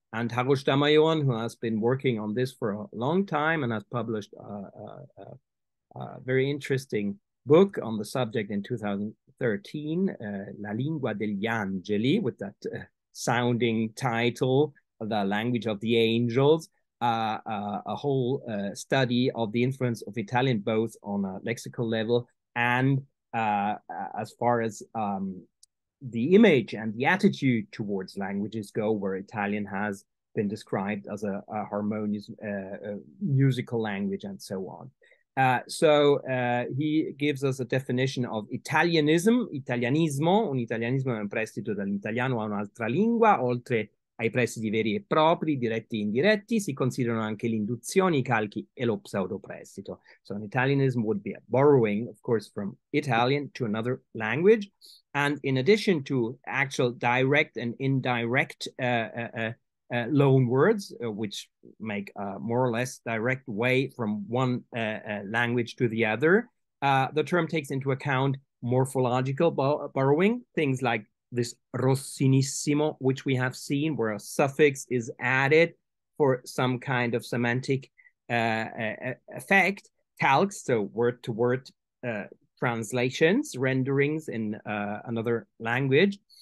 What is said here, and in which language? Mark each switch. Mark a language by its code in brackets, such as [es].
[en] And Haru Stamayon, who has been working on this for a long time and has published a very interesting book on the subject in 2013, La Lingua degli Angeli, with that sounding title, The Language of the Angels, a whole study of the influence of Italian both on a lexical level and as far as the image and the attitude towards languages go, where Italian has been described as a harmonious musical language and so on. So he gives us a definition of Italianism, [it] italianismo, un italianismo è un prestito dall'italiano a un'altra lingua, oltre ai prestiti veri e propri, diretti e indiretti, si considerano anche le induzioni, I calchi e lo pseudoprestito. [en] So an Italianism would be a borrowing, of course, from Italian to another language. And in addition to actual direct and indirect loan words, which make a more or less direct way from one language to the other, the term takes into account morphological borrowing, things like this Rossinissimo, which we have seen, where a suffix is added for some kind of semantic effect, calx, so word-to-word translations, renderings in another language,